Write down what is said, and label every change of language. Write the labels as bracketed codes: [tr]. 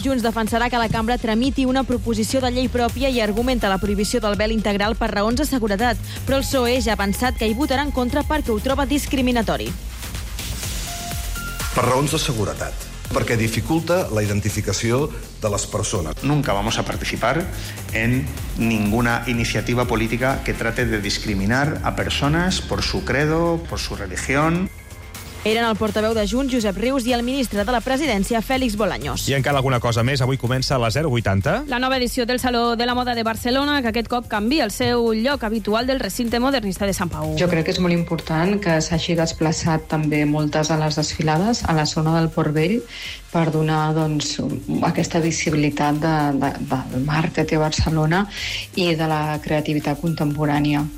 [ca] Junts defensarà que la cambra tramiti una proposició de llei pròpia i argumenta la prohibició del vel integral per raons de seguretat, però el PSOE ja ha pensat que hi votarà en contra perquè ho troba discriminatori. Per raons de seguretat, perquè dificulta la identificació de les persones. [es] Nunca vamos a participar en ninguna iniciativa política que trate de discriminar a persones por su credo, por su religión. [ca] Eren el portaveu de Junts, Josep Rius, i el ministre de la Presidència, Félix Bolaños. I encara alguna cosa més. Avui comença a la 080. La nova edició del Saló de la Moda de Barcelona, que aquest cop canvia el seu lloc habitual del recinte modernista de Sant Pau. Jo crec que és molt important que s'hagi desplaçat també moltes de les desfilades a la zona del Port Vell per donar doncs, aquesta visibilitat del mar que té Barcelona i de la creativitat contemporània.